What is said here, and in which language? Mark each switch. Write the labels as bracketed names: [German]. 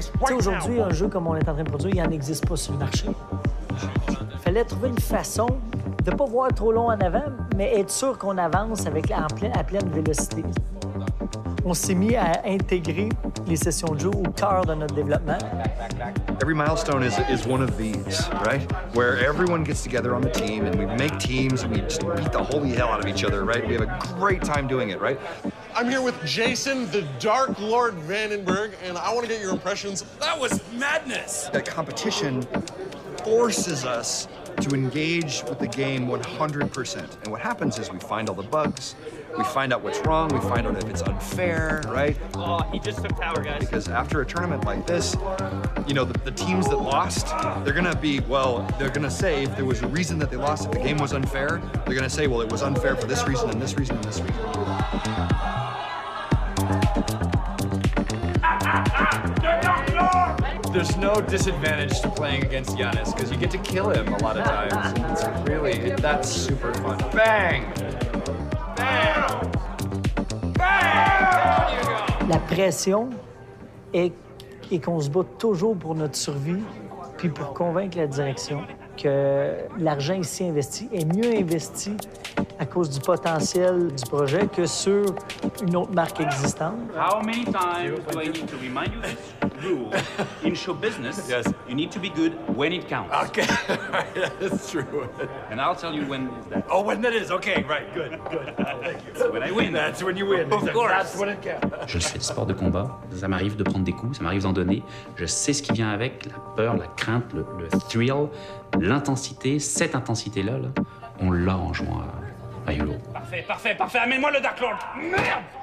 [French] Aujourd'hui, un jeu comme on est en train de produire, il n'en existe pas sur le marché. Il fallait trouver une façon de ne pas voir trop long en avant, mais être sûr qu'on avance à pleine vélocité. On s'est mis à intégrer les sessions de jeu au cœur de notre développement. [English] Every milestone is one of these, right? Where everyone gets together on the team and we make teams and we just beat the holy hell out of each other, right? We have a great time doing it, right? I'm here with Jason, the Dark Lord Vandenberg, and I want to get your impressions. That was madness! That competition forces us to engage with the game 100%. And what happens is we find all the bugs, we find out what's wrong, we find out if it's unfair, right? Oh, he just took power, guys. Because after a tournament like this, you know, the teams that lost, they're gonna say if there was a reason that they lost, if the game was unfair, they're gonna say, well, it was unfair for this reason and this reason and this reason. There's no disadvantage to playing against Giannis because you get to kill him a lot of times. It's really, that's super fun. Bang! [French] La pression est qu'on se bat toujours pour notre survie puis pour convaincre la direction que l'argent ici investi est mieux investi à cause du potentiel du projet que sur une autre marque existante. [English] How many times do I need to remind you this rule? In show business, yes. You need to be good when it counts. Okay, that's true. And I'll tell you when is that. Oh, when that is, okay, right, good, good. Thank you. When I win. That's when you win. Of course. That's when it counts. [French] Je fais du sport de combat, ça m'arrive de prendre des coups, ça m'arrive d'en donner. Je sais ce qui vient avec, la peur, la crainte, le thrill, l'intensité, cette intensité-là, là, on l'a en jouant à YOLO. Parfait, parfait, parfait, amène-moi le Dark Lord! Merde!